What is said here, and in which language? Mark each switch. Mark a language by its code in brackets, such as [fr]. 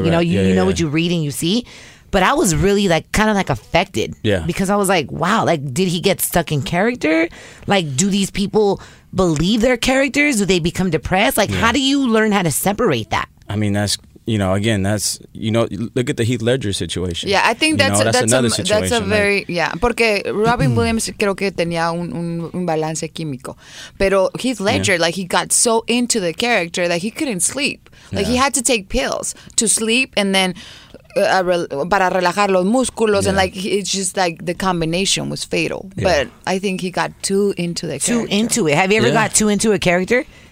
[en] What you read and you see. But I was really affected. Yeah. Because I was like, wow, did he get stuck in character? Like, do these people believe their characters? Do they become depressed? How do you learn how to separate that? I mean, that's, look at the Heath Ledger situation. Yeah, I think that's another situation. [es] Porque Robin Williams creo que tenía un balance químico. [en] Pero Heath Ledger, he got so into the character that he couldn't sleep. Like, he had to take pills to sleep and then... [es] para relajar los músculos [en] and it's just the combination was fatal. Yeah. But I think he got too into the character. Too into it. Have you ever got too into a character?